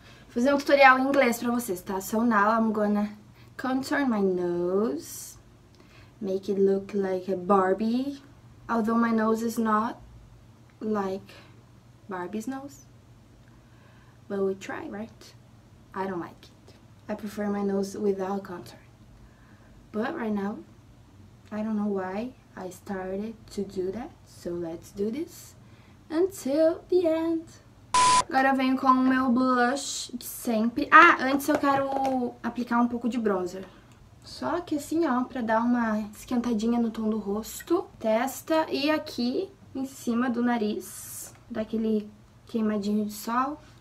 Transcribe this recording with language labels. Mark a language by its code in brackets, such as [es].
[pt] Fazer um tutorial em inglês pra vocês, tá? [en] So now I'm gonna contour my nose, make it look like a Barbie, although my nose is not like Barbie's nose, but we try, right? I don't like it. I prefer my nose without contour. But right now, I don't know why I started to do that. So let's do this until the end. [pt] Agora eu venho com o meu blush de sempre. Ah, antes eu quero aplicar um pouco de bronzer. Só que assim, ó, pra dar uma esquentadinha no tom do rosto, testa e aqui em cima do nariz, dá aquele queimadinho de sol.